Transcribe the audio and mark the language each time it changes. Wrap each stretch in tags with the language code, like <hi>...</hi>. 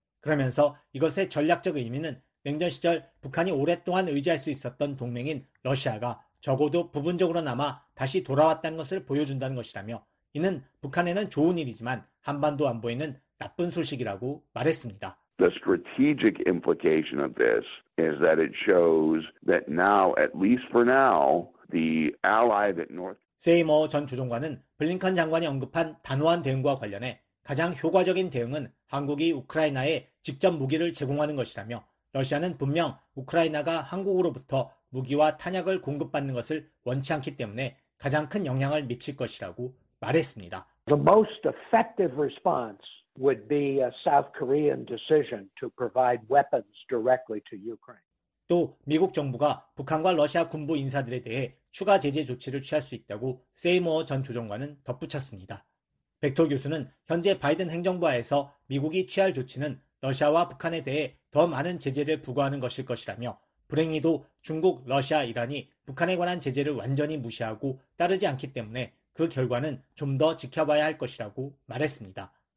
<ko>그러면서 이것의 전략적 의미는 냉전 시절 북한이 오랫동안 의지할 수 있었던 동맹인 러시아가 적어도 부분적으로나마 다시 돌아왔다는 것을 보여준다는 것이라며 이는 북한에는 좋은 일이지만 한반도 안보에는 나쁜 소식이라고 말했습니다.</ko> <en>The strategic implication of this is that it shows that now, at least for now, the ally that North</en> <ko>세이머 전 조종관은 블링컨 장관이 언급한 단호한 대응과 관련해 가장 효과적인 대응은 한국이 우크라이나에 직접 무기를 제공하는 것이라며 러시아는 분명 우크라이나가 한국으로부터 무기와 탄약을 공급받는 것을 원치 않기 때문에 가장 큰 영향을 미칠 것이라고 말했습니다.</ko> <en>The most effective response would be a South Korean decision to provide weapons directly to Ukraine.</en> <ko>또 미국 정부가 북한과 러시아 군부 인사들에 대해 추가 제재 조치를 취할 수 있다고 세이머 전 조정관은 덧붙였습니다. 백토 교수는 현재 바이든 행정부하에서 미국이 취할 조치는 러시아와 북한에 대해 더 많은 제재를 부과하는 것일 것이라며 불행히도 중국, 러시아, 이란이 북한에 관한 제재를 완전히 무시하고 따르지 않기 때문에 그 결과는 좀 더 지켜봐야 할 것이라고 말했습니다.</ko>